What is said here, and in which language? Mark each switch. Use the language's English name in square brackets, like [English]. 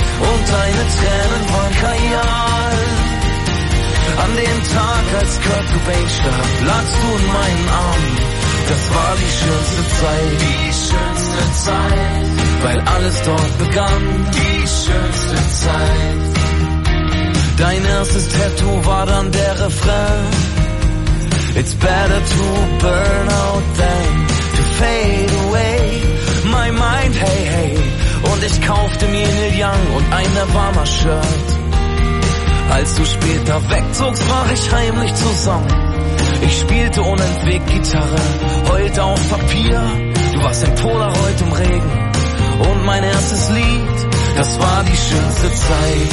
[German] Und deine Tränen waren Kajal. An dem Tag, als Kurt Cobain starb, lagst du in meinen Armen. Das war die schönste Zeit, die schönste Zeit. Weil alles dort begann, die schönste Zeit. Dein erstes Tattoo war dann der Refrain. [English] It's better to burn out than to fade away. My mind, hey, hey. [German] Und ich kaufte mir Neil Young und eine Bummer-Shirt. Als du später wegzogst, brach ich heimlich zusammen. Ich spielte unentwegt Gitarre, heulte auf Papier. Du warst ein Polaroid im Regen. Und mein erstes Lied, das war die schönste Zeit.